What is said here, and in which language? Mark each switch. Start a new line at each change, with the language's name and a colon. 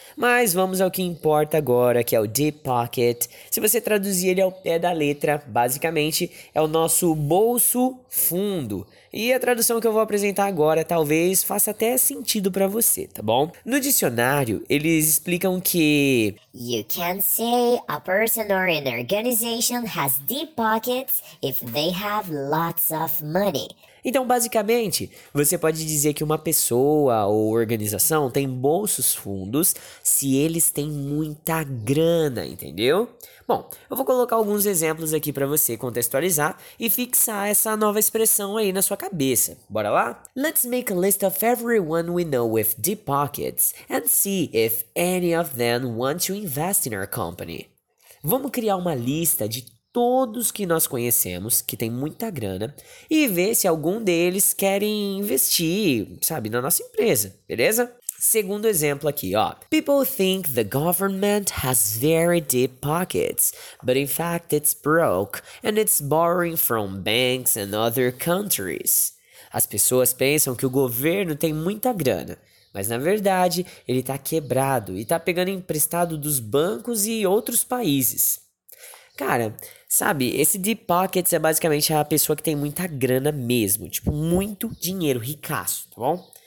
Portuguese: Mas vamos ao que importa agora, que é o Deep Pocket. Se você traduzir ele ao pé da letra, basicamente, é o nosso bolso fundo. E a tradução que eu vou apresentar agora talvez faça até sentido pra você, tá bom? No dicionário, eles explicam que...
English: You can say a person or an organization has deep pockets if they have lots of money.
Portuguese: Então, basicamente, você pode dizer que uma pessoa ou organização tem bolsos fundos se eles têm muita grana, entendeu? Bom, eu vou colocar alguns exemplos aqui para você contextualizar e fixar essa nova expressão aí na sua cabeça. Bora lá?
English: Let's make a list of everyone we know with deep pockets and see if any of them want to invest in our company.
Portuguese: Vamos criar uma lista de todos que nós conhecemos, que tem muita grana, e ver se algum deles querem investir, sabe, na nossa empresa, beleza? Segundo exemplo aqui, ó.
English: People think the government has very deep pockets, but in fact it's broke, and it's borrowing from banks and other countries.
Portuguese: As pessoas pensam que o governo tem muita grana, mas na verdade ele tá quebrado e tá pegando emprestado dos bancos e outros países. Cara, sabe, esse deep pockets é basicamente a pessoa que tem muita grana mesmo, tipo, muito dinheiro, ricaço, tá bom?